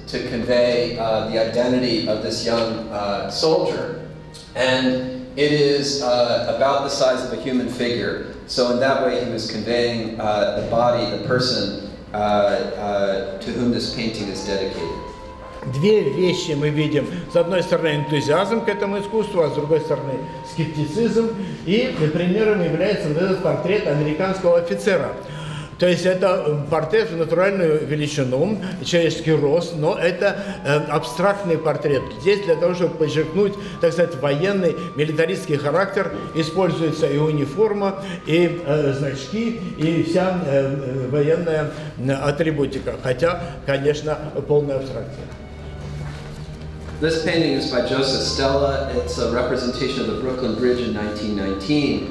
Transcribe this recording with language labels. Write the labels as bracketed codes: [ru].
[en] to convey the identity of this young soldier. And it is about the size of a human figure. So in that way, he was conveying the body, the person to whom this painting is dedicated. [ru] Две вещи мы видим. С одной стороны, энтузиазм к этому искусству, а с другой стороны, скептицизм. И примером является вот этот портрет американского офицера. То есть это портрет в натуральную величину, человеческий рост, но это абстрактный портрет. Здесь для того, чтобы подчеркнуть, так сказать, военный, милитаристский характер, используется и униформа, и значки, и вся военная атрибутика. Хотя, конечно, полная абстракция. [en] This painting is by Joseph Stella. It's a representation of the Brooklyn Bridge in 1919.